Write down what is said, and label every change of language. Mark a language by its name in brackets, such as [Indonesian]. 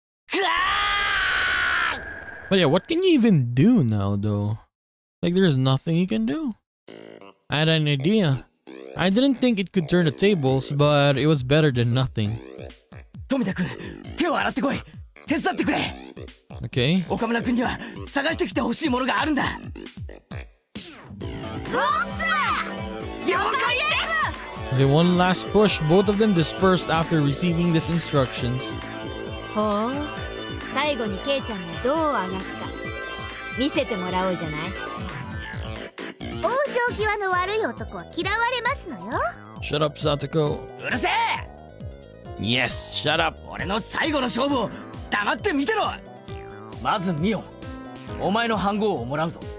[English] But yeah, what can you even do now, though? Like, there's nothing you can do? I had an idea. I didn't think it could turn the tables, but it was better than nothing. [Japanese] Tomita-kun, 手を洗ってこい。手伝ってくれ。 [English] Okay. [Japanese] 岡村君には探してきてほしいものがあるんだ。どうする？了解です。 [English] The one last push, both of them dispersed after receiving these instructions. [Japanese] ほう、最後にケイちゃんがどうあがすか、見せてもらおうじゃない。王将際の悪い男は嫌われますのよ。 [English] Shut up, Satoko. [Japanese] うるせえ。 [English] Yes, shut up. [Japanese] 俺の最後の勝負を黙って見てろ。まずミオ、お前の飯盒をもらうぞ。